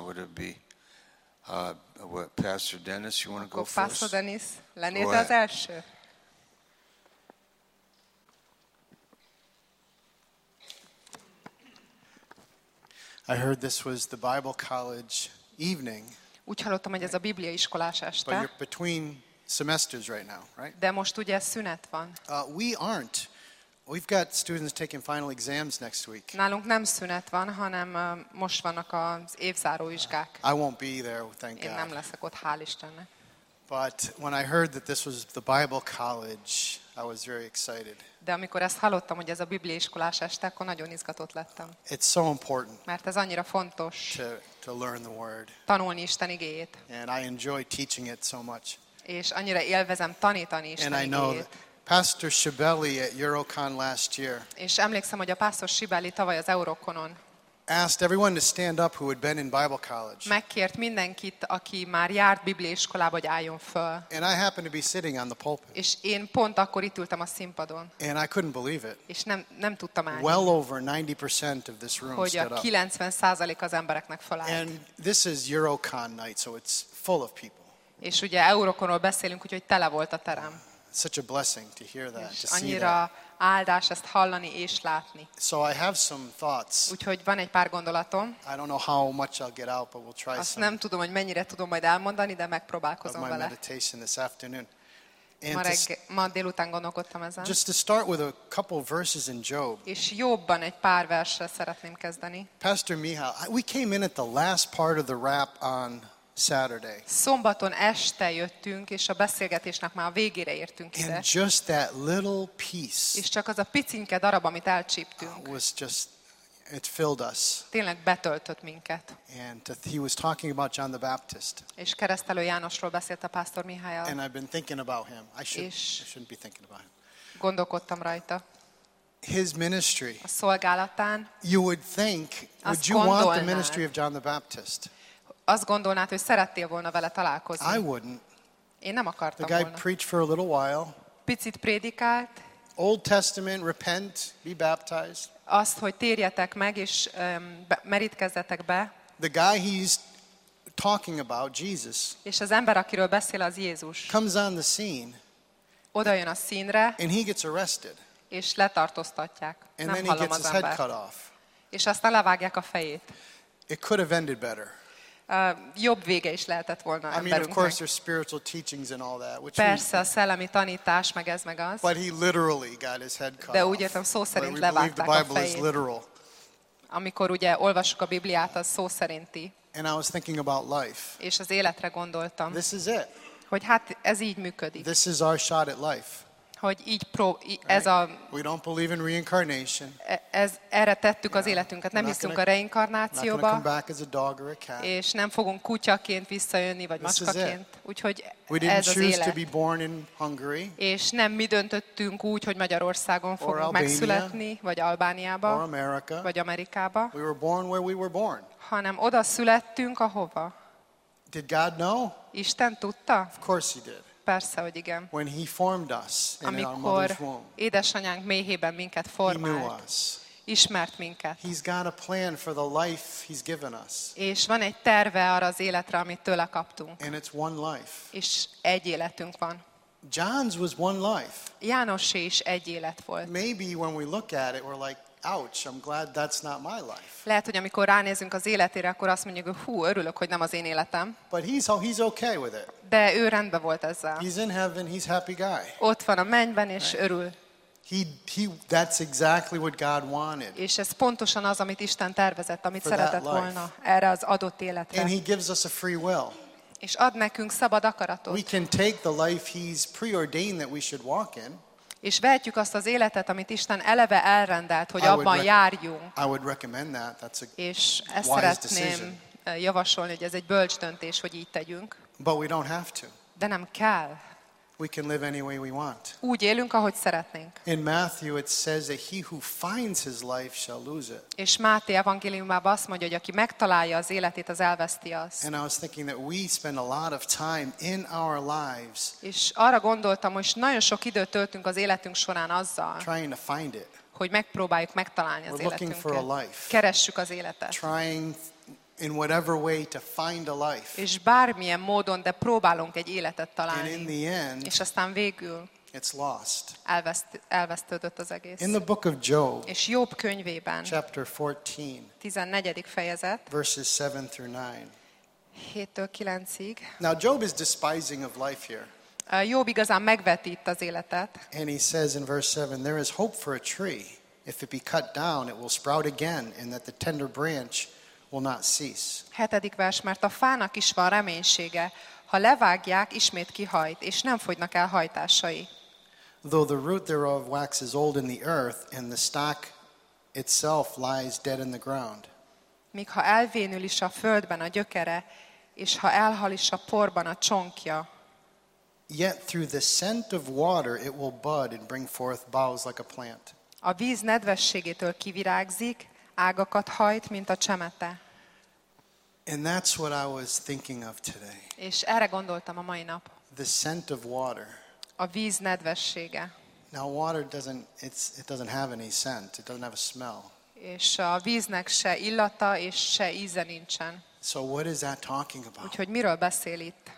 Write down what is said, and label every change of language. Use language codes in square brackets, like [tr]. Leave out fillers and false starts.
[en] Would it be Pastor Dennis, you want to go first? [hu] Pastor Dennis, lennéd az első? [en] I heard this was the Bible college evening. [hu] Úgy hallottam, hogy ez a Biblia iskolás este. [en] But you're between semesters right now, right? [hu] De most ugye szünet van. [en] We aren't. We've got students taking final exams next week. [hu] Nálunk nem szünet van, hanem most vannak az évzáró vizsgák. [en] I won't be there, thank God. [hu] Én nem leszek ott, hál' Istennek. [en] But when I heard that this was the Bible college, I was very excited. [hu] De amikor ezt hallottam, hogy ez a Biblia iskolás este, akkor nagyon izgatott lettem. [en] It's so important. [hu] Mert ez annyira fontos. [en] To learn the word. [hu] Tanulni Isten igéjét. [en] And I enjoy teaching it so much. [hu] És annyira élvezem tanítani Isten igéjét. [en] And I know Pastor Shibeli at Eurocon last year. [hu] És emlékszem, hogy a Pásztor Shibeli tavaly az Eurokonon [en] asked everyone to stand up who had been in Bible college. [hu] Megkért mindenkit, aki már járt bibliaiskolába, hogy álljon föl. [en] And I happened to be sitting on the pulpit. [hu] És én pont akkor itt ültem a színpadon. [en] And I couldn't believe it. [hu] És nem tudtam állni. [en] Well over 90% of this room stood up. [hu] Hogy a 90% az embereknek felállt. [en] And this is Eurocon night, so it's full of people. [hu] És ugye Eurokonról beszélünk, úgyhogy tele volt a terem. [en] Such a blessing to hear that, to see that. [hu] Áldás ezt hallani és látni. [en] So I have some thoughts. [hu] Úgyhogy van egy pár gondolatom. [en] I don't know how much I'll get out, but we'll try. [hu] Azt nem tudom, hogy mennyire tudom majd elmondani, de megpróbálkozom vele. [en] My meditation this afternoon. [hu] Ma délután gondolkodtam ezen. [en] Just to start with a couple verses in Job. [hu] És Jobban egy pár versre szeretném kezdeni. [en] Pastor Mihály, we came in at the last part of the wrap on Saturday. [hu] Szombaton este jöttünk, és a beszélgetésnek már a végére értünk ide. [en] And just that little piece. [hu] És csak az a picinke darab, amit elcsíptünk. [en] Was just, it filled us. [hu] Tényleg betöltött minket. [en] And he was talking about John the Baptist. [hu] És Keresztelő Jánosról beszélt a pásztor Mihály. [en] And I've been thinking about him. I shouldn't be thinking about him. [hu] Gondolkodtam rajta. [en] His ministry. [hu] A szolgálatán. [en] You would think, would you want the ministry of John the Baptist? [hu] Azt gondolnád, hogy szerettél volna vele találkozni. [en] I wouldn't. [hu] Én nem akartam volna. [en] The guy [hu] volna. [en] Preached for a little while. [hu] Picit prédikált. [en] Old Testament, repent, be baptized. [hu] Azt, hogy térjetek meg és merítkezzetek be. [en] The guy he's talking about, Jesus. [hu] És az ember, akiről beszél, az Jézus. [en] Comes on the scene. [hu] Oda jön a színre. [en] And he gets arrested. [hu] És letartóztatják. [en] And [hu] nem [en] then he gets his head cut off. [hu] És aztán levágják a fejét. [en] It could have ended better. [hu] Jobb vége is lehetett volna emberünknek. [en] I mean, of course, there's spiritual teachings and all that, which [hu] persze a szellemi tanítás, meg ez meg az. [en] But he literally got his head cut. [hu] De úgy értem, szó szerint levágták a fejét. Amikor ugye olvassuk a Bibliát, az szó szerinti. [en] And I was thinking about life. [hu] És az életre gondoltam. [en] This is it. [hu] Hogy hát ez így működik. [en] This is our shot at life. [hu] Hogy így ez a. [en] We don't believe in reincarnation. [hu] Ez erre tettük az életünket, nem hiszünk a reinkarnációba. [en] Not gonna come back as a dog or a cat. [hu] És nem fogunk kutyaként visszajönni vagy [en] this [hu] macskaként. Úgyhogy [en] we didn't [hu] ez az élet. [en] To be born in Hungary, [hu] és nem mi döntöttünk úgy, hogy Magyarországon fogunk megszületni, vagy Albániába, [en] or America, [hu] vagy Amerikába. [en] We were born where we were born. [hu] Hanem oda születtünk, ahova. [en] Did God know? [hu] Isten tudta? [en] Of course he did. [hu] Persze, hogy igen. [en] When he formed us in [hu] amikor [en] our mother's womb, [hu] édesanyánk méhében minket formált, [en] he knew us. [hu] Ismert minket. [en] He's got a plan for the life he's given us. [hu] És van egy terve arra az életre, amit tőle kaptunk. [en] And it's one life. [hu] És egy életünk van. [en] John's was one life. [hu] János is egy élet volt. [en] Maybe when we look at it, we're like, ouch, I'm glad that's not my life. [hu] Lehet, hogy amikor ránézünk az életére, akkor azt mondjuk, hú, örülök, hogy nem az én életem. [en] But he's okay with it. [hu] De ő rendben volt ezzel. [en] He's in heaven, he's happy guy. [hu] Ott van a mennyben, és [en] right. [hu] Örül. [en] He that's exactly what God wanted. [hu] És ez pontosan az, amit Isten tervezett, amit szeretett volna erre az adott életre. [en] And he gives us a free will. [hu] És ad nekünk szabad akaratot. [en] We can take the life he's preordained that we should walk in. [hu] És vehetjük azt az életet, amit Isten eleve elrendelt, hogy abban járjunk. [en] I would recommend that. That's a wise decision. [hu] És ezt szeretném javasolni, hogy ez egy bölcs döntés, hogy így tegyünk. [en] But we don't have to. [hu] De nem kell. [en] We can live any way we want. [hu] Úgy élünk, ahogy szeretnénk. [en] In Matthew it says that he who finds his life shall lose it. [hu] És Máté evangéliumában azt mondja, hogy aki megtalálja az életét, az elveszti azt. [en] And I was thinking that we spend a lot of time in our lives. [hu] És arra gondoltam, hogy nagyon sok időt töltünk az életünk során azzal. [en] Trying to find it. [hu] Hogy megpróbáljuk megtalálni az életünket. [en] Looking for a life. [hu] Keressük az életet. [en] Trying in whatever way to find a life. [hu] És bármilyen módon, de próbálunk egy életet találni. [en] And in the end, [hu] és aztán végül [en] it's lost. [hu] Elvesztődött az egész. [en] In the book of Job, [hu] és Jób könyvében, [en] chapter 14, [hu] 14. fejezet, [en] verses 7 through 9. [hu] 7-től 9-ig. [en] Now Job is despising of life here. [hu] Jób igazán megveti itt az életet. [en] And he says in verse 7, there is hope for a tree. If it be cut down, it will sprout again, and that the tender branch will not cease. [hu] 7. vers, mert a fának is van reménysége, ha levágják, ismét kihajt, és nem fogynak el hajtásai. [en] Though the root thereof waxes old in the earth, and the stock itself lies dead in the ground. [hu] Míg ha elvénül is a földben a gyökere, és ha elhal is a porban a csonkja. [en] Yet through the scent of water it will bud and bring forth boughs like a plant. [hu] A víz nedvességétől kivirágzik, ágakat hajt, mint a csemete. [en] And that's what I was thinking of today. [hu] És erre gondoltam a mai nap. [en] The scent of water. [hu] A víz nedvessége. [en] Now water doesn't, it doesn't have any scent. It doesn't have a smell. [hu] És a víznek se illata és se íze nincsen. [en] So what is that talking about? [hu] Úgyhogy miről beszél itt?